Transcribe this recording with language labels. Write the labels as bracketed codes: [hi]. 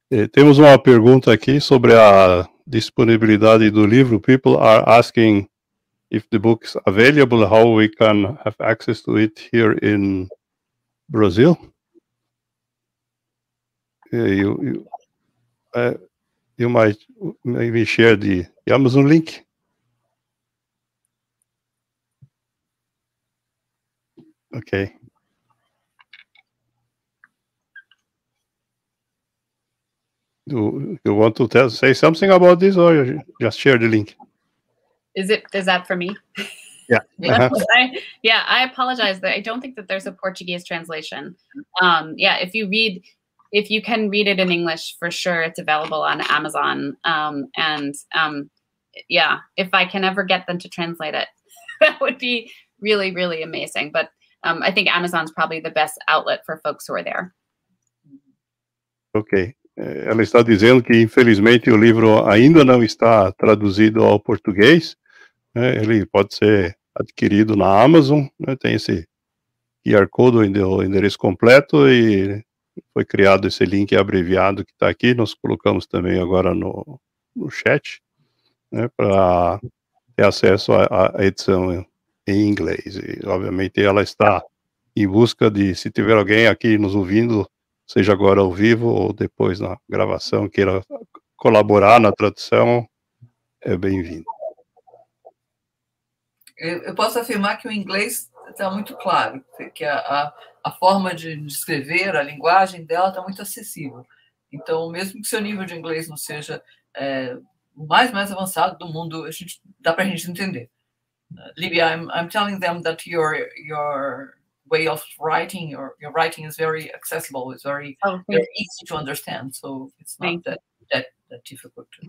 [pt] Temos uma pergunta aqui sobre a disponibilidade do livro. [en] People are asking if the book is available, how we can have access to it here in Brazil. You might maybe share the Amazon link. Okay. Do you want to say something about this, or just share the link? Is that for me? I apologize. I don't think that there's a Portuguese translation. If you read, if you can read it in English, for sure, it's available on Amazon. If I can ever get them to translate it, that would be really, really amazing. But I think Amazon's probably the best outlet for folks who are there. Ok. [pt] Ela está dizendo que, infelizmente, o livro ainda não está traduzido ao português. Ele pode ser adquirido na Amazon. Tem esse QR Code, o endereço completo, e foi criado esse link abreviado que está aqui. Nós colocamos também agora no chat, para ter acesso à edição em inglês. E, obviamente, ela está em busca de, se tiver alguém aqui nos ouvindo, seja agora ao vivo ou depois na gravação, queira colaborar na tradução, é bem-vindo. Eu posso afirmar que o inglês está muito claro, que a forma de escrever, a linguagem dela está muito acessível. Então, mesmo que seu nível de inglês não seja mais avançado do mundo, dá para a gente entender. [en] Libia, I'm telling them that your way of writing, your writing is very accessible, it's very, very easy to understand, so it's not that difficult.